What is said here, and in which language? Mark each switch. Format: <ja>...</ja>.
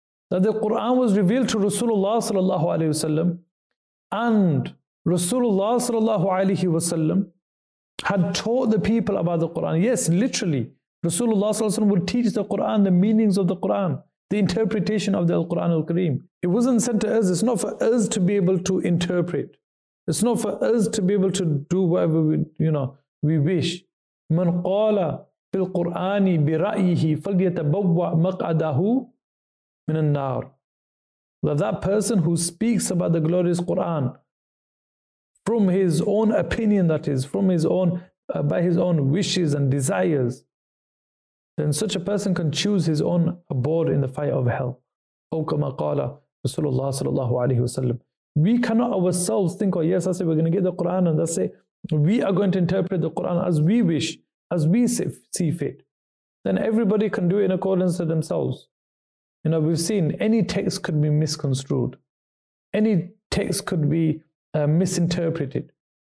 <en>that the Quran was revealed to Rasulullah sallallahu alaihi wasallam, and Rasulullah sallallahu alaihi wasallam had taught the people about the Quran. Yes, literally, Rasulullah sallallahu alaihi wasallam would teach the Quran, the meanings of the Quran, the interpretation of the Quran al-Kareem. It wasn't sent to us. It's not for us to be able to interpret. It's not for us to be able to do whatever we wish.</en> <ar>من قال في القرآن برأيه فليتبوأ مقعده من النار.</ar> <en>That person who speaks about the glorious Quran from his own opinion, that is, from his own by his own wishes and desires, then such a person can choose his own abode in the fire of hell.</en> <ar>أو كما قال رسول الله صلى الله عليه وسلم.</ar> <en>We cannot ourselves think, oh yes, I say we're going to get the Quran, and that's it. We are going to interpret the Quran as we wish, as we see fit. Then everybody can do it in accordance to themselves. You know, we've seen any text could be misconstrued. Any text could be misinterpreted.</en>